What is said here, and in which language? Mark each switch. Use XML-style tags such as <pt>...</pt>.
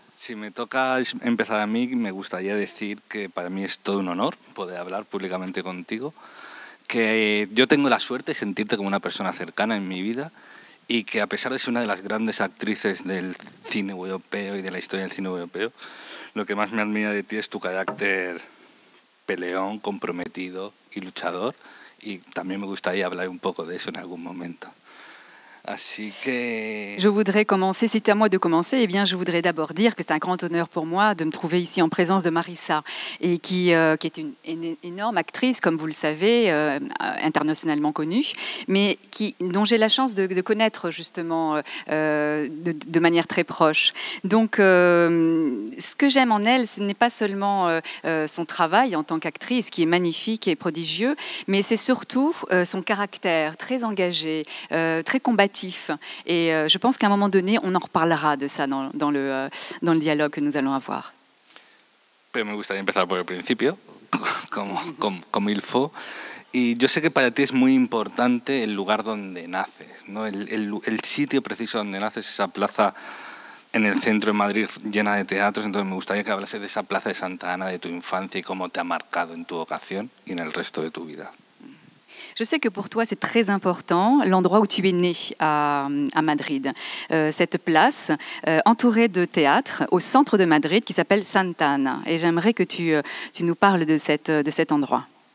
<es>Si me toca empezar a mí, me gustaría decir que para mí es todo un honor poder hablar públicamente contigo, que yo tengo la suerte de sentirte como una persona cercana en mi vida, y que a pesar de ser una de las grandes actrices del cine europeo y de la historia del cine europeo, lo que más me admira de ti es tu carácter peleón, comprometido y luchador, y también me gustaría hablar un poco de eso en algún momento. Así que...</es> <fr>Je voudrais commencer, c'est à moi de commencer, eh bien, je voudrais d'abord dire que c'est un grand honneur pour moi de me trouver ici en présence de Marisa, et qui est une énorme actrice, comme vous le savez, internationalement connue, mais dont j'ai la chance de connaître justement de manière très proche. Donc ce que j'aime en elle, ce n'est pas seulement son travail en tant qu'actrice, qui est magnifique et prodigieux, mais c'est surtout son caractère très engagé, très combattant. Et je pense qu'à un moment donné, on en reparlera de ça dans le dialogue que nous allons avoir.</fr> <es>Pero me gustaría empezar por el principio, como il faut. Y yo sé que para ti es muy importante el lugar donde naces, ¿no? El sitio preciso donde naces, esa plaza en el centro de Madrid llena de teatros. Entonces me gustaría que hablases de esa plaza de Santa Ana, de tu infancia y cómo te ha marcado en tu vocación y en el resto de tu vida.</es> <fr>Je sais que pour toi, c'est très important, l'endroit où tu es né à Madrid. Cette place entourée de théâtres au centre de Madrid qui s'appelle Santa Ana. Et j'aimerais que tu nous parles de cet endroit.</fr>